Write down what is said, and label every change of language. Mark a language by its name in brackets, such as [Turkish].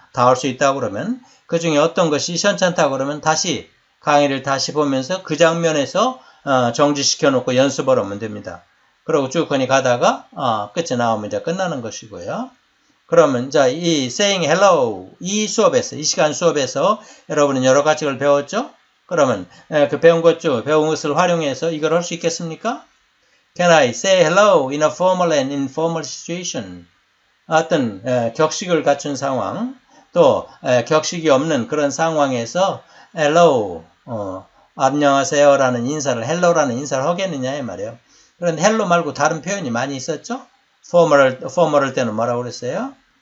[Korean] 다할수 있다고 그러면, 그 중에 어떤 것이 시원찮다고 그러면 다시 강의를 다시 보면서 그 장면에서 정지시켜 놓고 연습을 하면 됩니다. 그러고 쭉 거니 가다가 끝이 나오면 이제 끝나는 것이고요. 그러면 자, 이 Saying Hello 이 수업에서, 이 시간 수업에서 여러분은 여러 가지 걸 배웠죠? 그러면 그 배운 것 중, 배운 것을 활용해서 이걸 할수 있겠습니까? [English] Can I say hello in a formal and informal situation? [Korean] 어떤 격식을 갖춘 상황, 또 격식이 없는 그런 상황에서 hello, 안녕하세요라는 인사를, hello라는 인사를 하겠느냐, 이 말이에요. 그런데 hello 말고 다른 표현이 많이 있었죠? formal 때는 뭐라고 그랬어요?